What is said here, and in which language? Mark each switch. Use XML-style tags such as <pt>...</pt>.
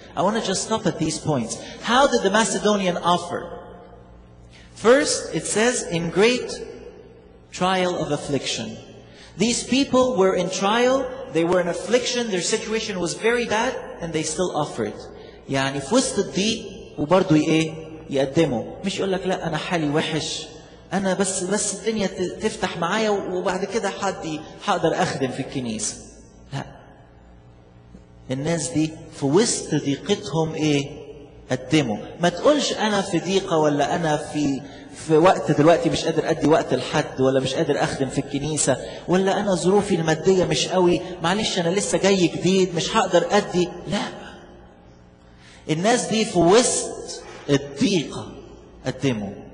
<en>I want to just stop at these points. How did the Macedonian offer? First, it says, in great trial of affliction. These people were in trial, they were in affliction, their situation was very bad, and they still offered.</en> <ar>يعني في وسط الضيق وبرضو إيه؟ يقدموا. مش يقول لك لا أنا حالي وحش، أنا بس الدنيا تفتح معايا وبعد كده حدي حقدر أخدم في الكنيسة. لا. الناس دي في وسط ضيقتهم إيه؟ قدموا. ما تقولش أنا في ضيقة ولا أنا في وقت دلوقتي مش قادر أدي وقت الحد ولا مش قادر أخدم في الكنيسة ولا أنا ظروفي المادية مش قوي معلش أنا لسه جاي جديد مش هقدر أدي لا الناس دي في وسط الضيقة قدموا</ar>